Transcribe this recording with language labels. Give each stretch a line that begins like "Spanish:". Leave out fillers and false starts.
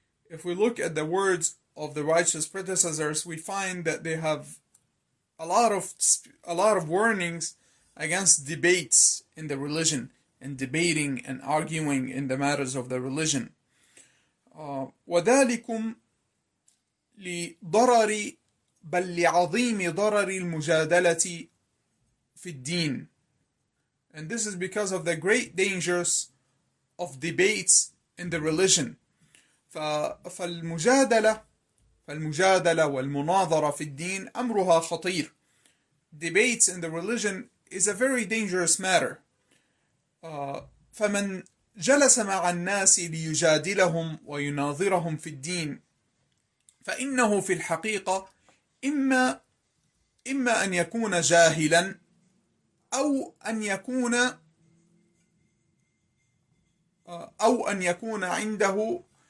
English: If we look at the words of the righteous predecessors, we find that they have a lot of warnings against debates in the religion, and debating and arguing in the matters of the religion.
Arabic: وذلكم لضرر بل لعظيم ضرر المجادلة في الدين.
English: And this is because of the great dangers of debates in the religion.
Arabic: فالمجادلة والمناظرة في الدين أمرها خطير.
English: Debates in the religion is a very dangerous matter.
Arabic: فمن جلس مع الناس ليجادلهم ويناظرهم في الدين، فإنه في الحقيقة إما أن يكون جاهلا، أو أن يكون عنده